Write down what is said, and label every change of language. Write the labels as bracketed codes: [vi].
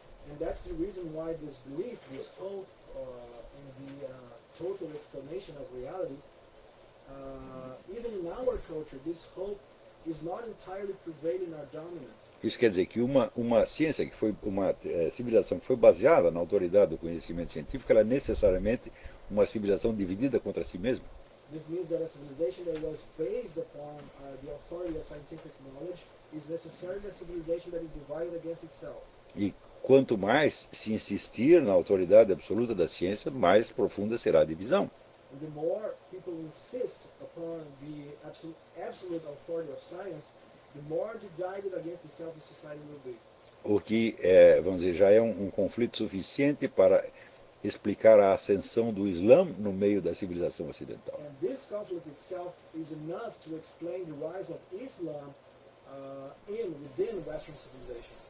[en] And that's the reason why this belief, this hope in the total explanation of reality, even in our culture, this hope is not entirely pervading our dominance. [pt] Isso quer dizer que uma ciência que foi uma civilização que foi baseada na autoridade do conhecimento científico, ela é necessariamente uma civilização dividida contra si mesma. [en] This means that a civilization that was based upon the authority of scientific knowledge is necessarily a civilization that is divided against itself. [pt] E quanto mais se insistir na autoridade absoluta da ciência, mais profunda será a divisão. [en] And the more people insist upon the absolute authority of science, the more divided against itself the society will be. [pt] O que, vamos dizer, já é um conflito suficiente para explicar a ascensão do Islã no meio da civilização ocidental. [en] And this conflict itself is enough to explain the rise of Islam within Western civilization.